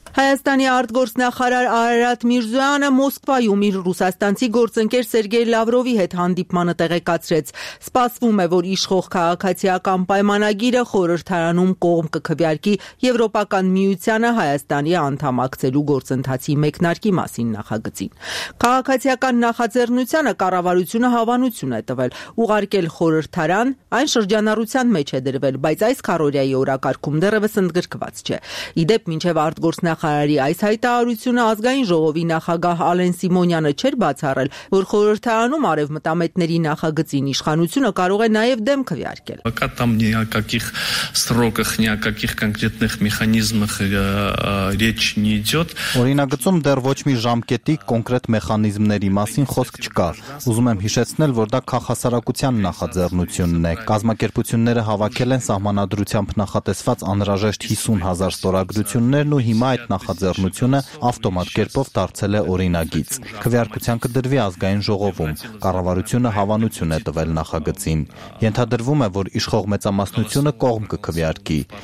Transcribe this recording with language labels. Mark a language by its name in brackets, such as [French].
[Armenian] Հայաստանի արտգործնախարար Արարատ Միրզոյանը Մոսկվայում իր ռուսաստանցի գործընկեր Սերգեյ Լավրովի հետ հանդիպմանը տեղեկացրեց։ Սպասվում է, որ իշխող քաղաքացիական պայմանագիրը խորհրդարանում կողմ կքվյարկի Եվրոպական Միությանը Հայաստանի անդամակցելու գործընթացի մեկնարկի մասին նախագծին։ Քաղաքացիական նախաձեռնությանը կառավարությունը հավանություն է տվել ուղարկել խորհրդարան, այն շրջանառության մեջ է դրվել, բայց այս քարորիայի օրակարգում դեռևս ընդգրկված չէ։ Ի դեպ, մինչև արտգործնախարարի այս հայտարարությունը ազգային ժողովի նախագահ Ալեն Սիմոնյանը չէր բացառել, որ խորհրդարանում արևմտամետների նախագծին իշխանությունը կարող է նաև դեմ քվեարկել։ [Russian] Կա там никаких сроков, никаких конкретных механизмов речь не идёт։ [Armenian] Օրինագծում դեռ ոչ մի ժամկետի կոնկրետ մեխանիզմների մասին խոսք չկա։ Ուզում եմ հիշեցնել, որ դա քաղաքասարակության նախաձեռնությունն է։ Կազմակերպությունները հավաքել են սահմանադրությամբ նախատեսված անհրաժեշտ 50,000 ստորագրություններն ու հիմա այդ նախաձեռնությունը ավտոմատ կերպով դարձել է օրինագիծ։ Քվեարկության կդրվի ազգային ժողովում։ Կառավարությունը հավանություն է տվել նախագծին։ Ենթադրվում է, որ իշխող մեծամասնությունը կողմ կքվեարկի։